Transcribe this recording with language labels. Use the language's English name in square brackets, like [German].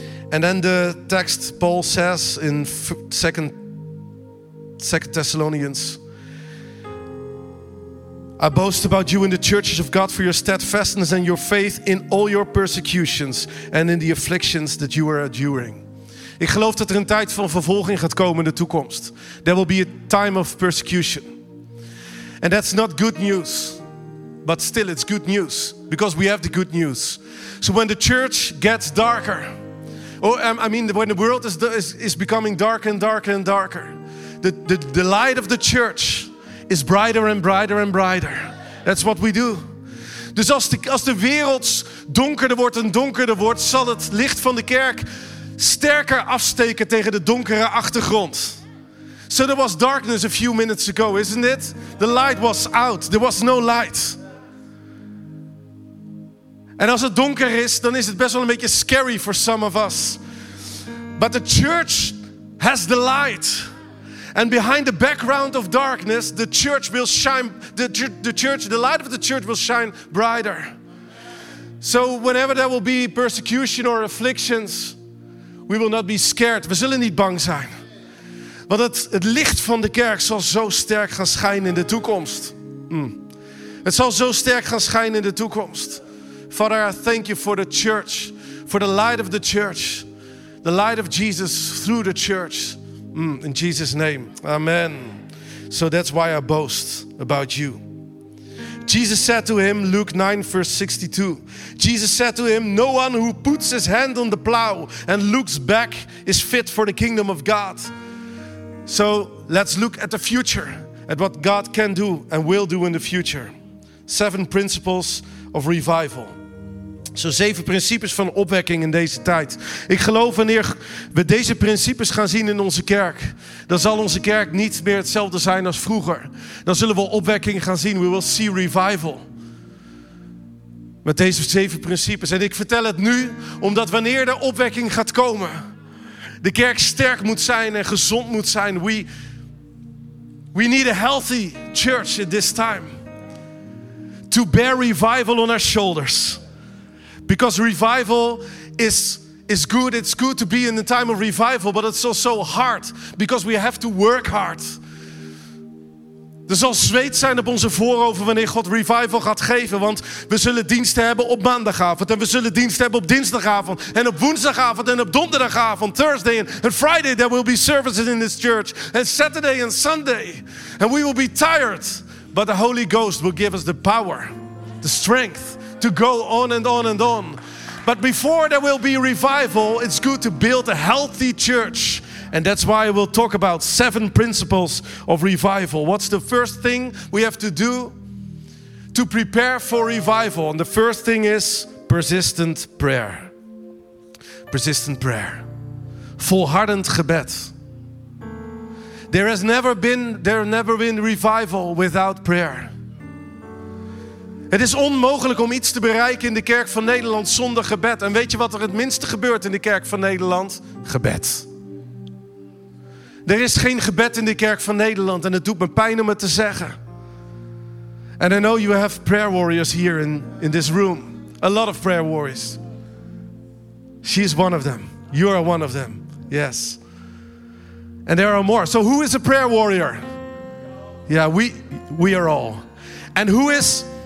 [English] And then the text Paul says in 2 Thessalonians, I boast about you in the churches of God for your steadfastness and your faith in all your persecutions and in the afflictions that you are enduring. [Dutch] Ik geloof dat er een tijd van vervolging gaat komen in de toekomst. [English] There will be a time of persecution. And that's not good news. But still, it's good news. Because we have the good news. So when the church gets darker, when the world is becoming darker and darker and darker, the light of the church is brighter and brighter and brighter. That's what we do. Dus als de wereld donkerder wordt en donkerder wordt, zal het licht van de kerk sterker afsteken tegen de donkere achtergrond. So there was darkness a few minutes ago, isn't it? The light was out. There was no light. [Dutch] En als het donker is, dan is het best wel een beetje scary [English] for some of us. But the church has the light. And behind the background of darkness, the church will shine. The light of the church will shine brighter. So whenever there will be persecution or afflictions, we will not be scared. [Dutch] We zullen niet bang zijn. Want het licht van de kerk zal zo sterk gaan schijnen in de toekomst. Het zal zo sterk gaan schijnen in de toekomst. [English] Father, I thank you for the church. For the light of the church. The light of Jesus through the church. In Jesus' name. Amen. So that's why I boast about you. Jesus said to him, Luke 9, verse 62. Jesus said to him, no one who puts his hand on the plow and looks back is fit for the kingdom of God. So let's look at the future, at what God can do and will do in the future. 7 principles of revival. [Dutch] Zo 7 principes van opwekking in deze tijd. Ik geloof wanneer we deze principes gaan zien in onze kerk, dan zal onze kerk niet meer hetzelfde zijn als vroeger. Dan zullen we opwekking gaan zien. [English] We will see revival. [Dutch] Met deze 7 principes. En ik vertel het nu, omdat wanneer de opwekking gaat komen, de kerk sterk moet zijn en gezond moet zijn. [English] We need a healthy church at this time. To bear revival on our shoulders. Because revival is good. It's good to be in the time of revival. But it's also hard. Because we have to work hard. [Dutch] Er zal zweet zijn op onze voorhoofd wanneer God revival gaat geven. Want we zullen diensten hebben op maandagavond. En we zullen diensten hebben op dinsdagavond. En op woensdagavond en op donderdagavond. [English] Thursday and Friday there will be services in this church. And Saturday and Sunday. And we will be tired. But the Holy Ghost will give us the power. The strength. To go on and on and on. But before there will be revival, it's good to build a healthy church. And that's why I will talk about 7 principles of revival. What's the first thing we have to do to prepare for revival? And the first thing is persistent prayer. Persistent prayer. [Dutch] Volhardend gebed. [English] There has never been revival without prayer. [Dutch] Het is onmogelijk om iets te bereiken in de kerk van Nederland zonder gebed. En weet je wat er het minste gebeurt in de kerk van Nederland? Gebed. Er is geen gebed in de kerk van Nederland. En het doet me pijn om het te zeggen. [English] And I know you have prayer warriors here in this room. A lot of prayer warriors. She is one of them. You are one of them. Yes. And there are more. So who is a prayer warrior? Yeah, we are all. And who is...